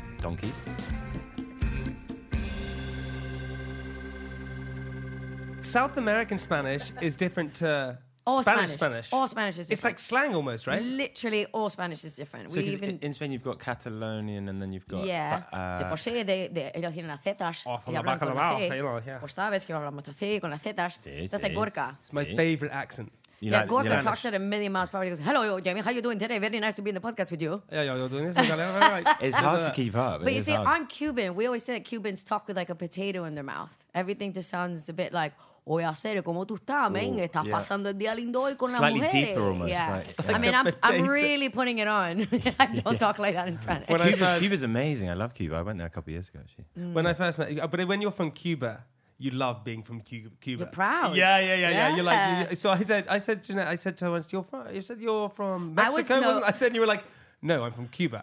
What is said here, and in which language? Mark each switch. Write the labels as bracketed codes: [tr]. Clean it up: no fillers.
[en] Donkeys. South American Spanish is different to... All Spanish is different. It's like slang almost, right? Literally, all Spanish is different. So we even in Spain, you've got Catalonian, and then you've got... Yeah. [es] De por sí, ellos tienen las zetas. Y hablan con la C. Pues sabes que hablamos así, con las zetas. Sí, [en] that's Gorka. It's my favorite accent. You like Gorka Spanish. Talks at a million miles per hour. He goes, hello, Jamie, how you doing today? Very nice to be in the podcast with you. Yeah, you're doing this. It's hard to keep up. But you see, I'm Cuban. We always say that Cubans talk with like a potato in their mouth. Everything just sounds a bit like... [es] voy a hacer como tú estás, amén. Estás pasando el día lindo hoy con [en] slightly [es] las mujeres. [en] Deeper almost. Yeah. Like I mean, I'm really putting it on. I don't talk like that in Spanish. Cuba's amazing. I love Cuba. I went there a couple of years ago, actually. Mm. When I first met you, but when you're from Cuba, you love being from Cuba. You're proud. Yeah. You're like, I said, Jeanette, I said to her once, you said you're from Mexico, wasn't it? I said, and you were like, no, I'm from Cuba.